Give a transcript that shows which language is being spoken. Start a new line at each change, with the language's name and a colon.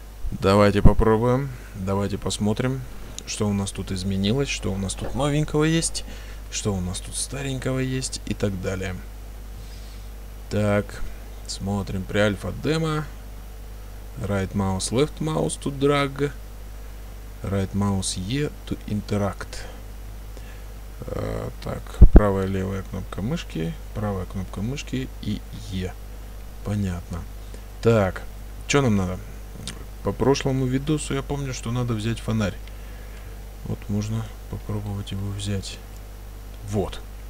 Russian: Давайте попробуем, давайте посмотрим, что у нас тут изменилось, что у нас тут новенького есть, что у нас тут старенького есть и так далее. Так, смотрим при альфа-демо.
English: Right mouse, left mouse to drag. Right mouse E to interact.
Russian: Так, правая-левая кнопка мышки. Правая кнопка мышки и E. Понятно. Так, что нам надо? По прошлому видосу я помню, что надо взять фонарь. Вот можно попробовать его взять. Вот.